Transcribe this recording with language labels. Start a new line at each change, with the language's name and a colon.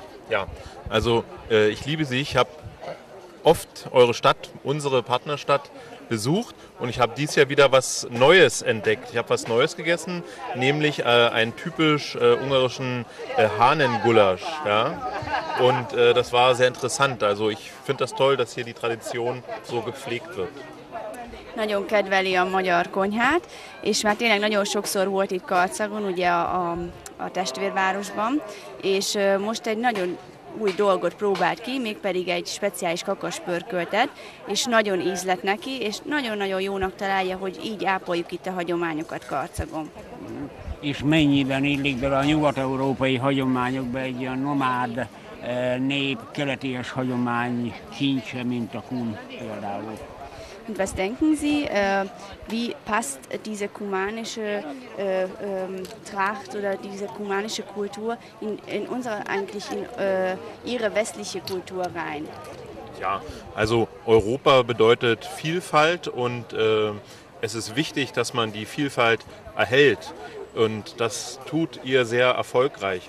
German: Ja, also ich liebe sie, ich habe oft eure Stadt, unsere Partnerstadt, besucht und ich habe dies Jahr wieder was Neues entdeckt. Ich habe was Neues gegessen, nämlich einen typisch ungarischen Hahnengulasch. Ja? Und das war sehr interessant. Also ich finde das toll, dass hier die Tradition so gepflegt wird.
Hungarian: Nagyon kedveli a magyar konyhát, és már tényleg nagyon sokszor volt itt Karcagon, ugye a testvérvárosban, és most egy nagyon új dolgot próbált ki, mégpedig egy speciális kakaspörköltet, és nagyon ízlett neki, és nagyon-nagyon jónak találja, hogy így ápoljuk itt a hagyományokat Karcagon. És mennyiben illik bele a nyugat-európai hagyományokba egy ilyen nomád nép, keleties hagyomány kincse, mint a kun például?
German: Und was denken Sie, wie passt diese kumanische Tracht oder diese kumanische Kultur in unsere eigentlich in ihre westliche Kultur rein? Ja, also Europa bedeutet Vielfalt und es ist wichtig, dass man die Vielfalt erhält und das tut ihr sehr erfolgreich.